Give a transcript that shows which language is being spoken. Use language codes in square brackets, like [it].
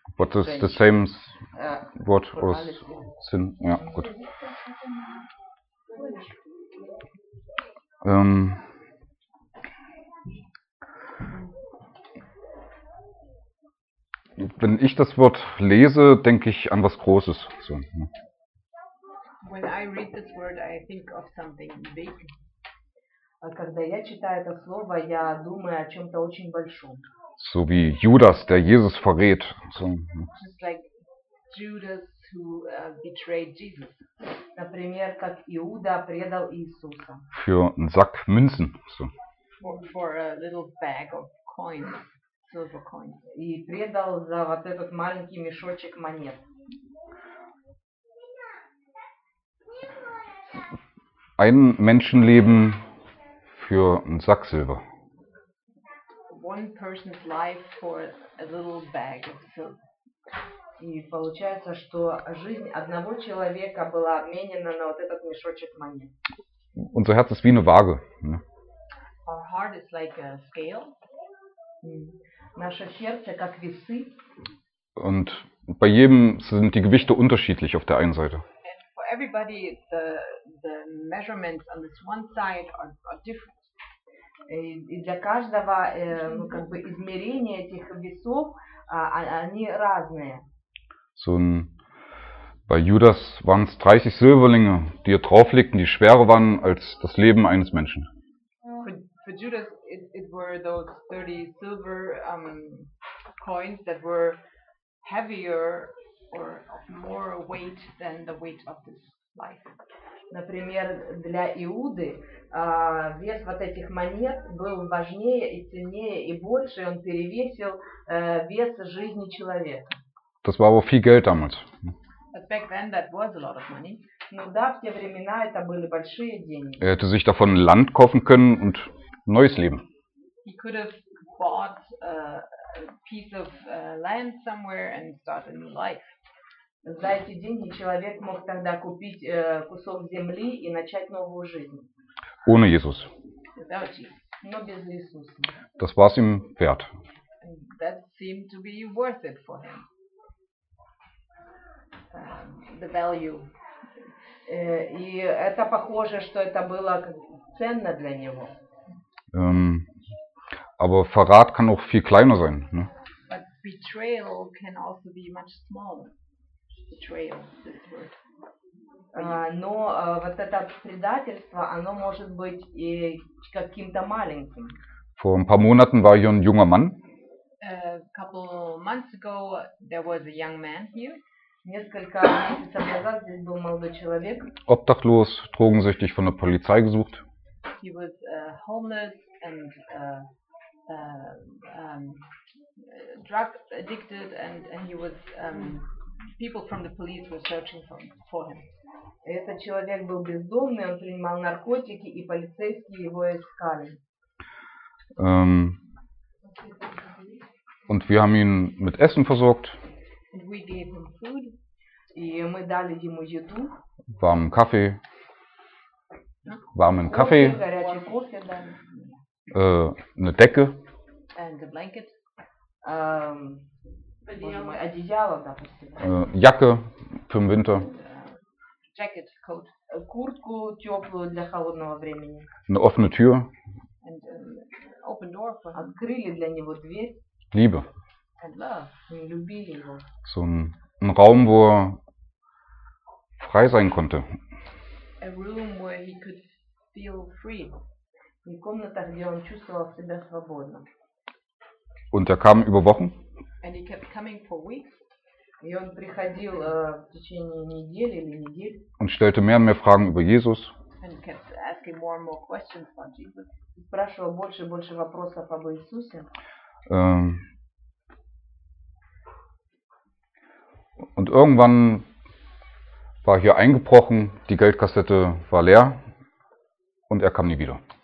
[en] What is the same word or sin? [de] Ja, gut. Wenn ich das Wort lese, denke ich an was Großes. So, ne? [en] When I read this word, I think of something big. [ru] Когда я читаю это слово, я думаю о чем-то очень большом. [de] So wie Judas, der Jesus verrät. So, ne? [en] Just like Judas, who betrayed Jesus. [ru] Например, как Иуда предал Иисуса. [de] Für einen Sack Münzen. So. [en] For a little bag of coins. [ru] И предал за вот этот маленький мешочек монет. [de] Ein Menschenleben für einen Sack Silber. [en] One person's life for a little bag of silver. [ru] И получается, что жизнь одного человека была обменена на вот этот мешочек монет. [de] Unser Herz ist wie eine Waage. [en] Our heart is like a scale. [ru] Наше сердце как весы. [de] Und bei jedem sind die Gewichte unterschiedlich auf der einen Seite. [en] And for everybody the measurements on this one side are different. [ru] И для каждого измерения этих весов они разные. [de] So bei Judas waren es 30 Silberlinge, die er drauflegten, die schwerer waren als das Leben eines Menschen. [en] For Judas, it were those 30 silver coins that were heavier or of more weight than the weight of this life. [ru] Например, для Иуды вес вот этих монет был важнее и ценнее и больше, он перевесил вес жизни человека. [de] Das war aber viel Geld damals. [en] But back then, that was a lot of money. [ru] Ну да, в те времена это были большие деньги. [de] Er hätte sich davon Land kaufen können und neues Leben. [en] He could have bought a piece of land somewhere and start a new life. [ru] За эти деньги человек мог тогда купить кусок земли и начать новую жизнь. [de] Ohne Jesus. [en] Without Jesus. [ru] Но без Иисуса. [de] Das war's ihm wert. [en] That seemed to be worth it for him. The value. [ru] И это похоже, что это было ценно для него. [de] Aber Verrat kann auch viel kleiner sein. Ne? [en] But betrayal can also be much smaller. Betrayal, this word. [ru] Но вот это предательство, оно может быть и каким-то маленьким. [de] Vor ein paar Monaten war hier ein junger Mann. [en] A couple months ago there was a young man here. [ru] Несколько месяцев назад здесь был молодой человек. [de] Obdachlos, drogensüchtig, von der Polizei gesucht. [en] He was homeless and drug addicted and he was people from the police were searching for him. [ru] Этот человек был бездомный, он принимал наркотики и полицейские его искали. [de] Und wir haben ihn mit Essen versorgt. [en] And we gave him food. [ru] И мы дали ему еду. [de] Warmen Kaffee. Warmen [ru] Kaffee. Горячий кофе дали. [de] Eine Decke. [en] And a blanket. [ru] Одеяло, да, [de] Jacke für den Winter. [en] Jacket, coat. [ru] Куртку теплую для холодного времени. [de] Eine offene Tür. [en] And open door for him. [ru] Открыли для него дверь. [de] Liebe. [en] And love. [ru] Любили его. [de] So ein Raum, wo er frei sein konnte. [en] A room where he could feel free. [ru] И комната, где он чувствовал себя свободно. [de] Und kam über Wochen. [en] And he kept coming for weeks. [ru] И он приходил в течение недели или недель. [de] Und stellte mehr und mehr Fragen über Jesus. [en] And he kept asking more and more questions about Jesus. [ru] И спрашивал больше и больше вопросов об Иисусе. [de] Und irgendwann war hier eingebrochen, die Geldkassette war leer und kam nie wieder.